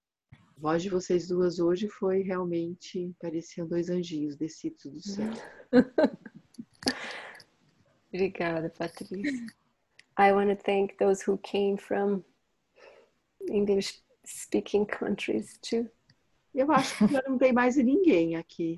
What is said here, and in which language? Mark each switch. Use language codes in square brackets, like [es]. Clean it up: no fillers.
[pt] A voz de vocês duas hoje foi realmente, pareciam dois anjinhos descidos do céu. Obrigada, [en] Patrícia. I want to thank those who came from English-speaking countries, too. [pt] Eu acho que não tem mais ninguém aqui.